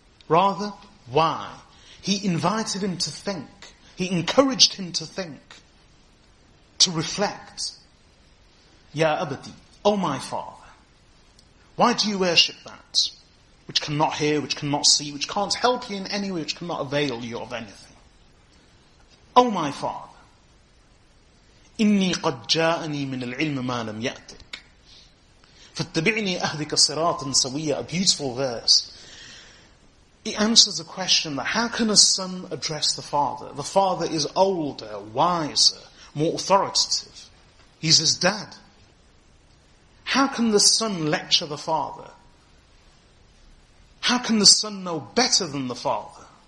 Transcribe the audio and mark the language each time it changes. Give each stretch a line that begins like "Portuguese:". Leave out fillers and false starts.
English: Rather, why? He invited him to think. He encouraged him to think. To reflect.
Arabic: Ya Abadi,
English: oh my father, why do you worship that which cannot hear, which cannot see, which can't help you in any way, which cannot avail you of anything? Oh my father,
Arabic: إِنِّي قَدْ جَاءَنِي مِنَ الْعِلْمِ مَا لَمْ يَأْتِكَ فَاتَّبِعْنِي أَهْدِكَ صِرَاطٍ سَوِيَّ.
English: A beautiful verse. It answers the question that how can a son address the father? The father is older, wiser, more authoritative. He's his dad. How can the son lecture the father? How can the son know better than the father?